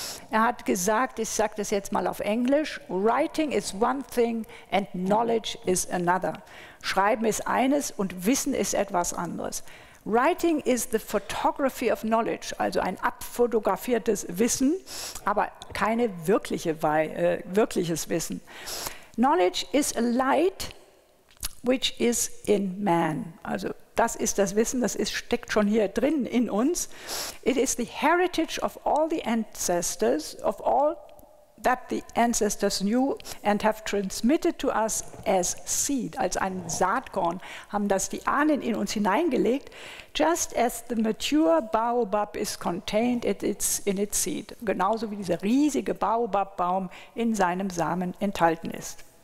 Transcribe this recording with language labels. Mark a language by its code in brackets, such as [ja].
[de] Er hat gesagt, ich sage das jetzt mal auf Englisch, [en] "Writing is one thing and knowledge is another." [de] Schreiben ist eines und Wissen ist etwas anderes. [en] Writing is the photography of knowledge, [de] also ein abfotografiertes Wissen, aber keine wirkliche wirkliches Wissen. [en] Knowledge is a light which is in man. [de] Also das ist das Wissen, das ist, steckt schon hier drin in uns. [en] It is the heritage of all the ancestors, of all that the ancestors knew and have transmitted to us as seed, [de] als ein Saatkorn, haben das die Ahnen in uns hineingelegt, [en] just as the mature Baobab is contained in its seed, [de] genauso wie dieser riesige Baobab-Baum in seinem Samen enthalten ist.